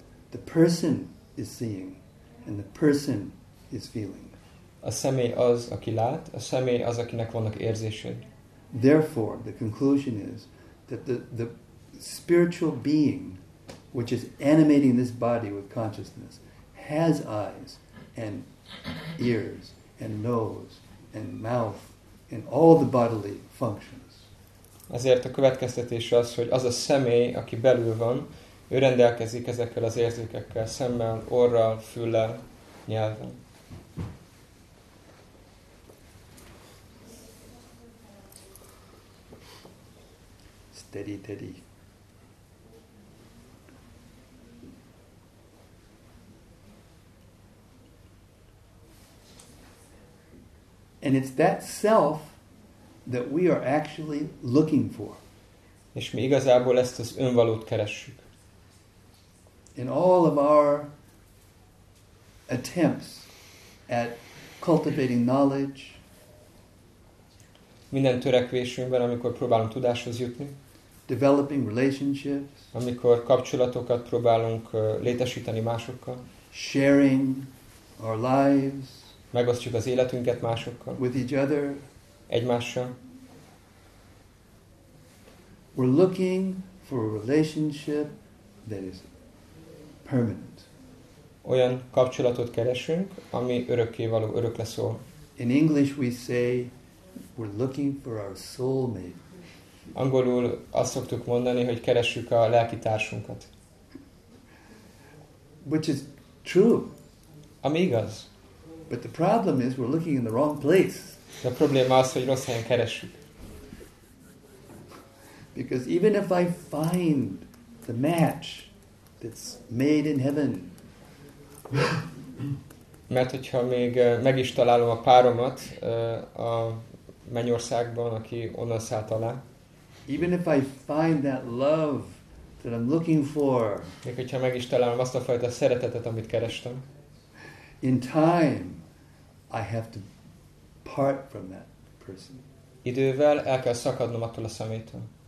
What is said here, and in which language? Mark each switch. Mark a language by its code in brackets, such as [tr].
[en] The person is seeing and the person is feeling. [hu] A személy az, aki lát, a személy az, akinek vannak érzéseid. [en] Therefore, the conclusion is that the spiritual being, which is animating this body with consciousness, has eyes and ears and nose and mouth and all the bodily functions. [hu] Ezért a következtetés az, hogy az a személy, aki belül van, ő rendelkezik ezekkel az érzékekkel, szemmel, orral, füllel, nyelven. Teddy. [en] And it's that self that we are actually looking for. [hu] És mi igazából ezt az önvalót keressük. [en] In all of our attempts at cultivating knowledge, [hu] minden törekvésünkben, amikor próbálunk tudáshoz jutni, [en] developing relationships, [hu] amikor kapcsolatokat próbálunk létesíteni másokkal, [en] sharing our lives, [hu] megosztjuk az életünket másokkal, [en] with each other, [hu] egymással, [en] we're looking for a relationship that is permanent. [hu] Olyan kapcsolatot keresünk, ami örökkévaló, örökre szól. [en] In English we say we're looking for our soulmate. [hu] Angolul azt szoktuk mondani, hogy keressük a lelki társunkat. [en] Which is true. [hu] Ami igaz. [en] But the problem is we're looking in the wrong place. [hu] De a probléma az, hogy rossz helyen keressük. [en] Because even if I find the match that's made in heaven, [hu] mert hogyha még meg is találom a páromat a mennyországban, aki onnan szállt alá, [en] even if I find that love that I'm looking for, [hu] még hogyha meg is találom azt a fajta szeretetet, amit kerestem, [en] in time I have to part from that person. [hu] Idővel el kell szakadnom attól a szemétől.